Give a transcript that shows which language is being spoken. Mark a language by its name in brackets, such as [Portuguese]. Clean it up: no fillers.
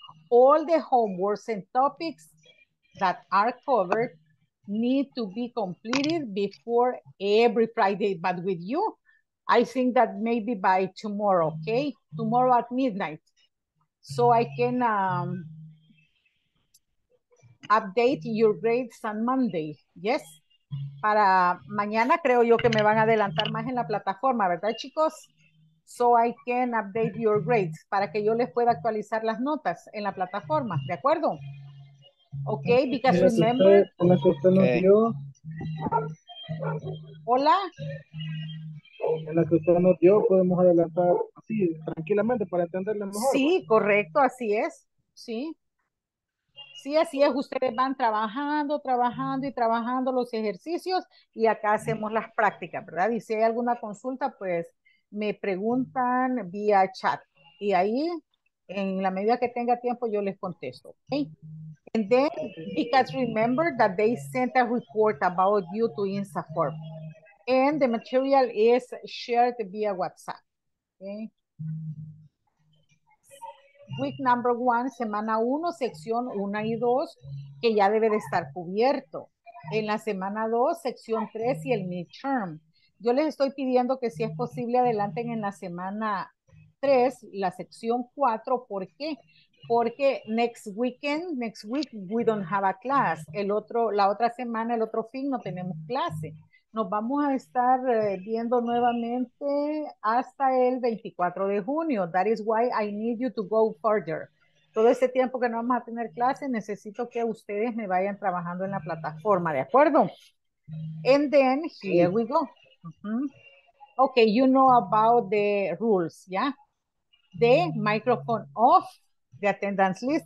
[English] All the homeworks and topics that are covered need to be completed before every Friday. But with you, I think that maybe by tomorrow, okay? Tomorrow at midnight. So I can update your grades on Monday, yes? [Spanish] Para mañana creo yo que me van a adelantar más en la plataforma, ¿verdad, chicos? [English] So I can update your grades [Spanish] para que yo les pueda actualizar las notas en la plataforma, ¿de acuerdo? [English] Okay, because yes, remember. Okay. [Spanish] Hola. En la que usted nos dio, podemos adelantar así, tranquilamente, para entenderle mejor. Sí, correcto, así es. Sí. Sí, así es. Ustedes van trabajando, trabajando y trabajando los ejercicios y acá hacemos las prácticas, ¿verdad? Y si hay alguna consulta, pues me preguntan vía chat. Y ahí, en la medida que tenga tiempo, yo les contesto, ¿ok? [English] And then, because remember that they sent a report about you to InstaForm. And the material is shared via WhatsApp, okay? Week number one, [Spanish] semana uno, sección una y dos, que ya debe de estar cubierto. En la semana dos, sección tres y el midterm. Yo les estoy pidiendo que si es posible adelanten en la semana tres, la sección cuatro, ¿por qué? Porque [English] next week, we don't have a class. [Spanish] La otra semana, el otro fin, no tenemos clase. Nos vamos a estar viendo nuevamente hasta el 24 de junio. [English] That is why I need you to go further. [Spanish] Todo este tiempo que no vamos a tener clase, necesito que ustedes me vayan trabajando en la plataforma, ¿de acuerdo? [English] And then, here we go. [Spanish] Uh-huh. [English] Okay, you know about the rules, yeah? The microphone off, the attendance list.